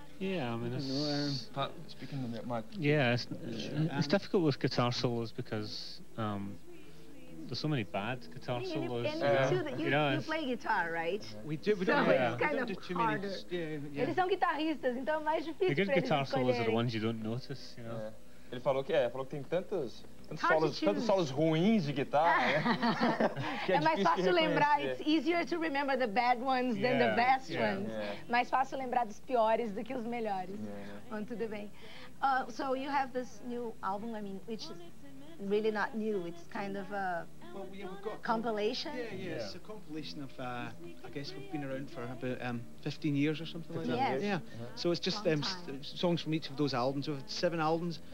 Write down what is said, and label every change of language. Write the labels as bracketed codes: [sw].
[en] It's difficult with guitar solos because there's so many bad guitar solos. You play guitar, right? We do, but it's kind of harder. [pt] Eles são guitarristas, então é mais difícil. [en] The good guitar solos are the ones you don't notice, you know. Yeah. [pt] Ele falou que tem tantos solos ruins de guitarra. É mais fácil lembrar. [en] It's easier to remember the bad ones than the best ones. Yeah. [pt] Mais fácil lembrar dos piores do que os melhores. Yeah. Tudo bem. [en] So you have this new album, I mean, which is really not new. It's kind of a compilation. Yeah. It's a compilation of, I guess we've been around for about 15 years or something like that. Yes. Yeah. So it's just songs from each of those albums. We've had 7 albums.